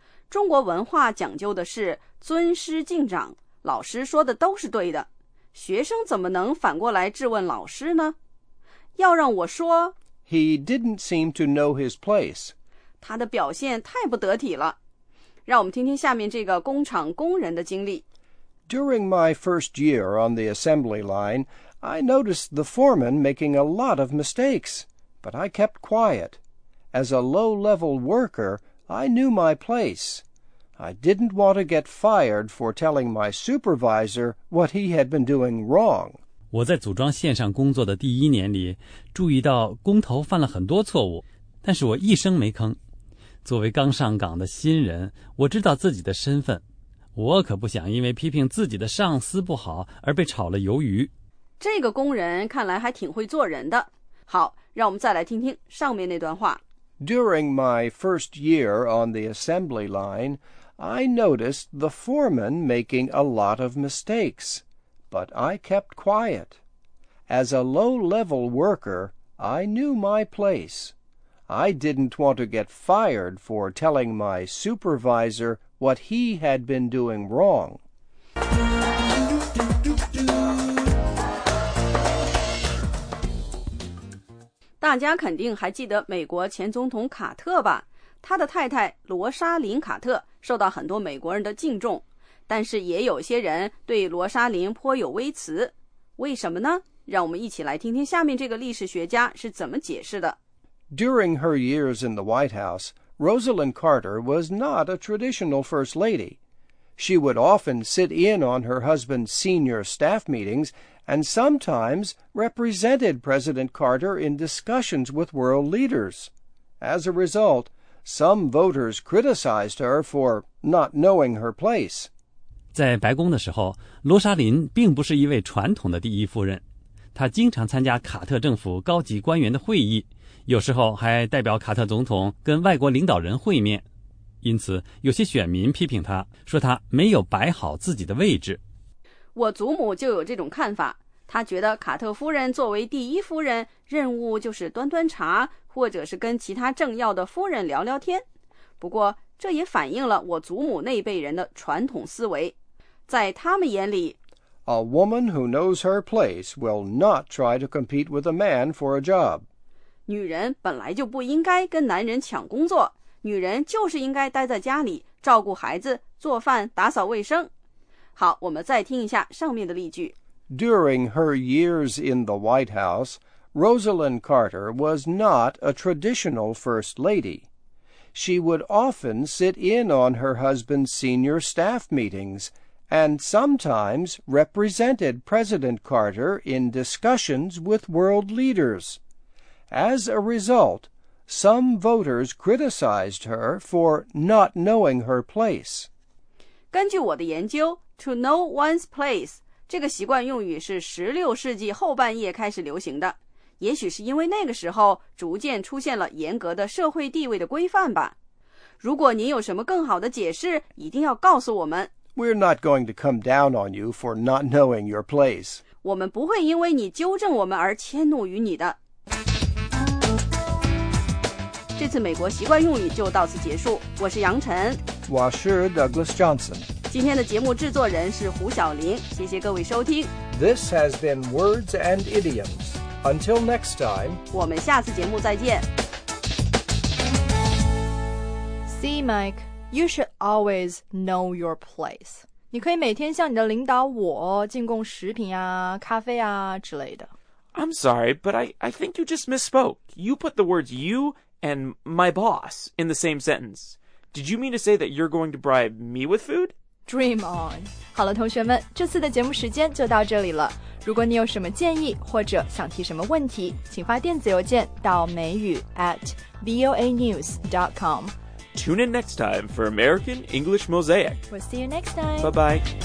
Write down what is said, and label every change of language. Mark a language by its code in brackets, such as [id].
[zh] 中国文化讲究的是尊师敬长，老师说的都是对的，学生怎么能反过来质问老师呢？要让我说， [en] He didn't seem to know his place. [zh] 他的表现太不得体了。让我们听听下面这个工厂工人的经历。 [en] During my first year on the assembly line, I noticed the foreman making a lot of mistakes, but I kept quiet. As a low-level worker, I knew my place. I didn't want to get fired for telling my supervisor what he had been doing wrong. [zh] 我在组装线上工作的第一年里，注意到工头犯了很多错误，但是我一声没吭。作为刚上岗的新人，我知道自己的身份，我可不想因为批评自己的上司不好而被炒了鱿鱼。这个工人看来还挺会做人的。好，让我们再来听听上面那段话。 [en] During my first year on the assembly line, I noticed the foreman making a lot of mistakes, but I kept quiet. As a low-level worker, I knew my place. I didn't want to get fired for telling my supervisor what he had been doing wrong. [zh] 大家肯定还记得美国前总统卡特吧？他的太太罗莎琳·卡特受到很多美国人的敬重，但是也有些人对罗莎琳颇有微词。为什么呢？让我们一起来听听下面这个历史学家是怎么解释的。 [en] During her years in the White House, Rosalind Carter was not a traditional first lady. She would often sit in on her husband's senior staff meetings and sometimes represented President Carter in discussions with world leaders. As a result, some voters criticized her for not knowing her place. [zh] 在白宫的时候，罗莎琳并不是一位传统的第一夫人，她经常参加卡特政府高级官员的会议，有时候还代表卡特总统跟外国领导人会面，因此有些选民批评他，说他没有摆好自己的位置。我祖母就有这种看法，她觉得卡特夫人作为第一夫人，任务就是端端茶，或者是跟其他政要的夫人聊聊天。不过这也反映了我祖母那一辈人的传统思维，在他们眼里， [en] A woman who knows her place will not try to compete with a man for a job. [zh] 女人本来就不应该跟男人抢工作，女人就是应该待在家里照顾孩子、做饭、打扫卫生。好，我们再听一下上面的例句。 [en] During her years in the White House, Rosalind Carter was not a traditional first lady. She would often sit in on her husband's senior staff meetings and sometimes represented President Carter in discussions with world leaders. As a result, some voters criticized her for not knowing her place. [zh] 根据我的研究 , [en] to know one's place, [zh] 这个习惯用语是16世纪后半叶开始流行的。也许是因为那个时候逐渐出现了严格的社会地位的规范吧。如果您有什么更好的解释，一定要告诉我们。 [en] We're not going to come down on you for not knowing your place. [zh] 我们不会因为你纠正我们而迁怒于你的。这次美国习惯用语就到此结束，我是杨晨，我是 Douglas Johnson，今天的节目制作人是胡晓玲，谢谢各位收听。 [en] This has been Words and Idioms. Until next time， [zh] 我们下次节目再见。 [en] See Mike, you should always know your place. [zh] 你可以每天向你的领导我进贡食品啊、咖啡啊之类的。 [en] I'm sorry, but I think you just misspoke. You put the words youand my boss in the same sentence. Did you mean to say that you're going to bribe me with food? Dream on. [zh] 好了，同学们，这次的节目时间就到这里了。如果你有什么建议或者想提什么问题，请发电子邮件到美语@voanews.com. [en] Tune in next time for American English Mosaic. We'll see you next time. Bye-bye.